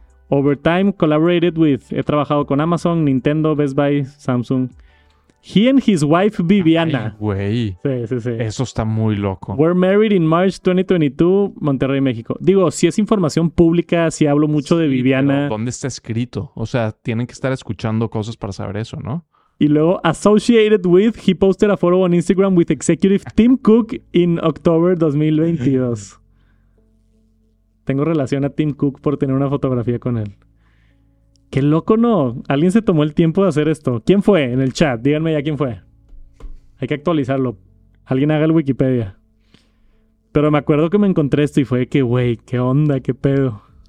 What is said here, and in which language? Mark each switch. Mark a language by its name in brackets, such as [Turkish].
[Spanish] Mm. [English] Overtime collaborated with... [Spanish] He trabajado con Amazon, Nintendo, Best Buy, Samsung. [English] He and his wife, Viviana. [Spanish] Ay, güey. Sí. Eso está muy loco. [English] We're married in March 2022, Monterrey, México. [Spanish] Digo, si es información pública, si hablo mucho, sí, de Viviana. ¿Dónde está escrito? O sea, tienen que estar escuchando cosas para saber eso, ¿no? Y luego, [English] associated with, he posted a photo on Instagram with executive Tim Cook in October 2022. [Spanish] Tengo relación a Tim Cook por tener una fotografía con él. ¡Qué loco, no! Alguien se tomó el tiempo de hacer esto. ¿Quién fue en el chat? Díganme ya quién fue. Hay que actualizarlo. Alguien haga el Wikipedia. Pero me acuerdo que me encontré esto y fue que, güey, qué onda, qué pedo.